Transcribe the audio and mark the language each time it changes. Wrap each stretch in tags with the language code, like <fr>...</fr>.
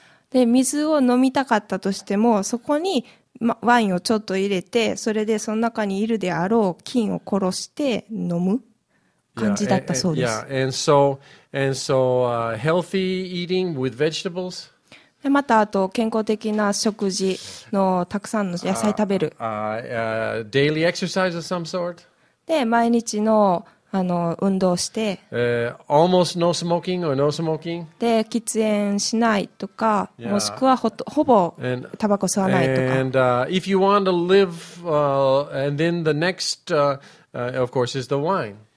<ja>で、水を飲みたかったとしても、そこにワインをちょっと入れて、それでその中にいるであろう菌を殺して飲む感じだったそうです。</ja> <en>Yeah, healthy eating with vegetables.</en> <ja>でまたあと健康的な食事のたくさんの野菜食べる。</ja> <en>Daily exercise of some sort.</en> <ja>で毎日の運動して。</ja> <en>Almost no smoking or no smoking.</en> <ja>で喫煙しないとか、もしくはほぼタバコ吸わないとか。</ja> <en>And if you want to live, and then the next, of course, is the wine.</en>